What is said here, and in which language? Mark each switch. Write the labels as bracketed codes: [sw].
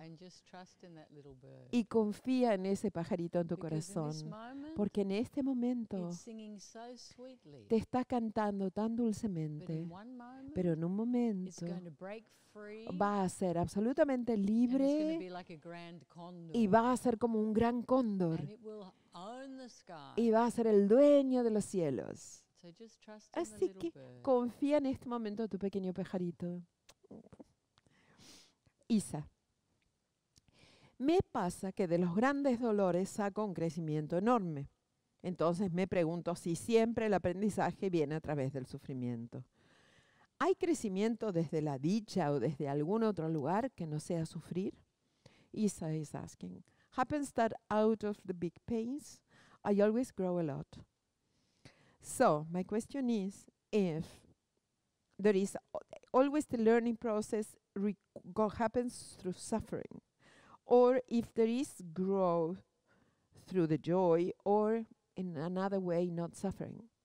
[en] And just trust in that little bird. [es] Y confía en ese pajarito en tu [en] because [es] corazón. [en] In this moment, [es] porque en este momento [en] it's singing so sweetly, [es] te está cantando tan dulcemente. [en] But in one moment, [es] pero en un momento [en] it's going to break free, [es] va a ser absolutamente libre [en] and it's going to be like a grand condor, [es] y va a ser como un gran cóndor. [en] And it will own the sky. [es] Y va a ser el dueño de los cielos. [en] So just trust in [es] así [en] the little [es] que [en] bird. [es] Confía en este momento tu pequeño pajarito. Isa, me pasa que de los grandes dolores saco un crecimiento enorme. Entonces me pregunto si siempre el aprendizaje viene a través del sufrimiento. ¿Hay crecimiento desde la dicha o desde algún otro lugar que no sea sufrir? [en] Isa is asking, happens that out of the big pains, I always grow a lot. So, my question is, if there is always the learning process happens through suffering, or if there is growth through the joy, or in another way, not suffering.